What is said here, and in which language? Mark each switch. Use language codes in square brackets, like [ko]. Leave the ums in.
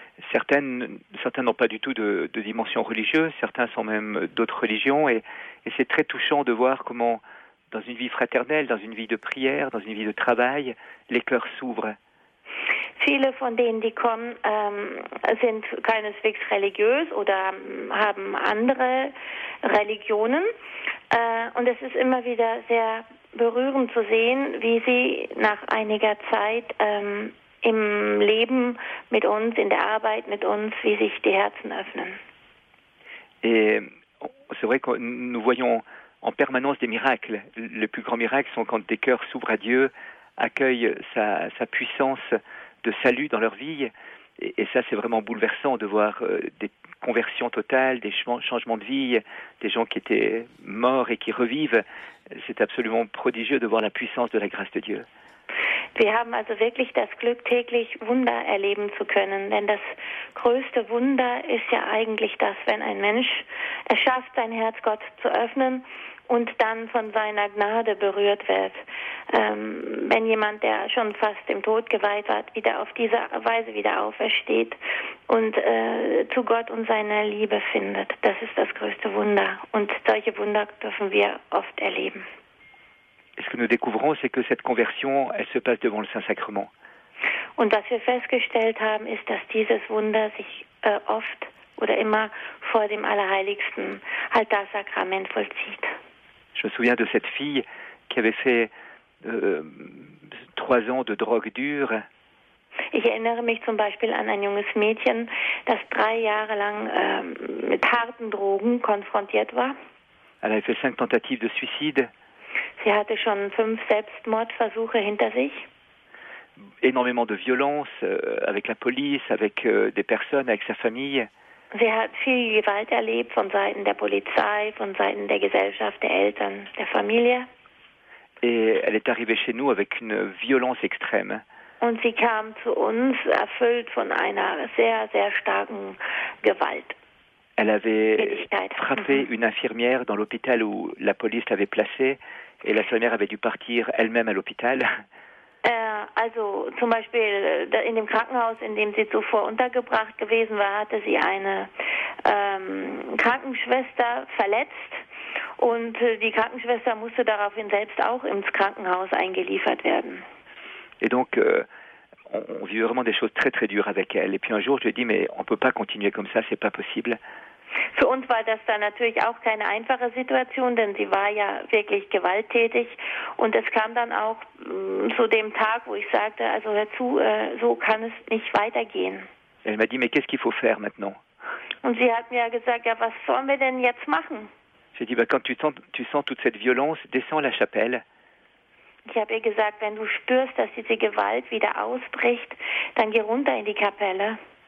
[fr] Certaines, certains n'ont pas du tout de, de, dimension religieuse, certains sont même d'autres religions, et, et c'est très touchant de voir comment dans une vie fraternelle, dans une vie de prière, dans une vie de travail, les cœurs s'ouvrent. [de] Viele von denen, die kommen, ähm, sind keineswegs religiös oder haben andere Religionen. Äh, und es ist immer wieder sehr berührend zu sehen, wie sie nach einiger Zeit ähm, im Leben mit uns, in der Arbeit mit uns, wie sich die Herzen öffnen. [fr] Et c'est vrai que nous voyons en permanence des miracles. Les plus grands miracles sont quand des cœurs s'ouvrent à Dieu, accueillent sa, sa, puissance de salut dans leur vie. Et, et ça, c'est vraiment bouleversant de voir des conversions totales, des changements de vie, des gens qui étaient morts et qui revivent. C'est absolument prodigieux de voir la puissance de la grâce de Dieu. [de] Wir haben also wirklich das Glück, täglich Wunder erleben zu können. Denn das größte Wunder ist ja eigentlich das, wenn ein Mensch es schafft, sein Herz Gott zu öffnen und dann von seiner Gnade berührt wird. Ähm, wenn jemand, der schon fast dem Tod geweiht war, wieder auf diese Weise wieder aufersteht und äh, zu Gott und seiner Liebe findet, das ist das größte Wunder. Und solche Wunder dürfen wir oft erleben. [fr] ce que nous découvrons, c'est que cette conversion, elle se passe devant le Saint-Sacrement. [de] Und was wir festgestellt haben, ist, dass dieses Wunder sich äh, oft oder immer vor dem Allerheiligsten Altarsakrament vollzieht. [fr] Je me souviens de cette fille qui avait fait euh, trois ans de drogue dure. [de] Ich erinnere mich zum Beispiel an ein junges Mädchen, das drei Jahre lang äh, mit harten Drogen konfrontiert war. [fr] Elle avait fait cinq tentatives de suicide. [de] Sie hatte schon fünf Selbstmordversuche hinter sich. [fr] Énormément de violence euh, avec la police, avec euh, des personnes, avec sa famille. [de] Sie hat viel Gewalt erlebt von Seiten der Polizei, von Seiten der Gesellschaft, der Eltern, der Familie. [fr] Et elle est arrivée chez nous avec une violence extrême. [de] Und sie kam zu uns erfüllt von einer sehr, sehr starken Gewalt. [fr] Elle avait [de] Tätigkeit. [fr] frappé une infirmière dans l'hôpital où la police l'avait placée et l'infirmière avait dû partir elle-même à l'hôpital. [de] Äh, also zum Beispiel äh, da- in dem Krankenhaus, in dem sie zuvor untergebracht gewesen war, hatte sie eine ähm, Krankenschwester verletzt und äh, die Krankenschwester musste daraufhin selbst auch ins Krankenhaus eingeliefert werden. [fr] Et donc, euh, on, on vivait vraiment des choses très très dures avec elle. Et puis un jour, je lui ai dit, mais on ne peut pas continuer comme ça, c'est pas possible. [de] Für uns war das dann natürlich auch keine einfache Situation, denn sie war ja wirklich gewalttätig. Und es kam dann auch mh, zu dem Tag, wo ich sagte, also hör zu, äh, so kann es nicht weitergehen. [fr] Elle m'a dit, mais qu'est-ce qu'il faut faire maintenant [de] Und sie hat mir gesagt, ja, was sollen wir denn jetzt machen? [fr] J'ai dit, bah, quand tu sens, tu sens toute cette violence, descends à la chapelle. [de] Ich habe ihr gesagt, wenn du spürst, dass diese Gewalt wieder ausbricht, dann geh runter in die Kapelle.